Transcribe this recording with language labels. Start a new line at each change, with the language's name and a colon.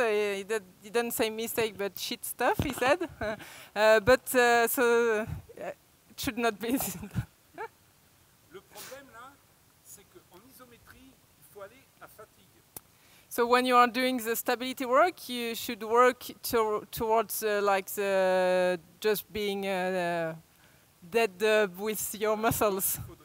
English: He didn't say mistake, but shit stuff, he said. It should not be.
French: Le problème là, c'est qu'en isométrie, il faut aller à fatigue.
English: So when you are doing the stability work, you should work towards like the just being dead with your muscles.